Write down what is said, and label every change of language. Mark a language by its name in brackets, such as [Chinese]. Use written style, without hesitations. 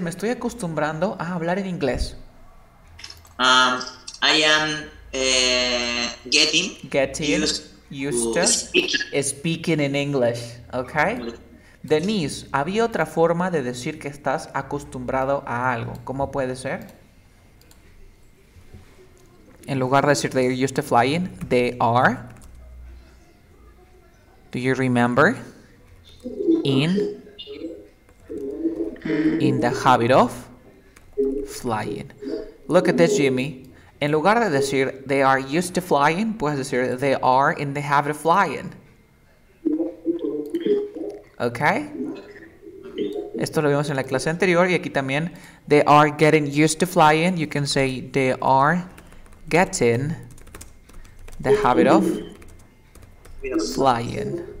[Spanish] Me estoy acostumbrando a hablar en inglés. [English] I am getting used to speaking in English. Okay. [Spanish] Denise, ¿había otra forma de decir que estás acostumbrado a algo? ¿Cómo puede ser? En lugar de decir [English] they are used to flying, they are. Do you remember? In the habit of flying. Look at this, Jimmy. [Spanish] En lugar de decir [English] they are used to flying, [Spanish] puedes decir [English] they are in the habit of flying. Okay. [Spanish] Esto lo vimos en la clase anterior y aquí también. [English] They are getting used to flying. You can say they are getting the habit of flying.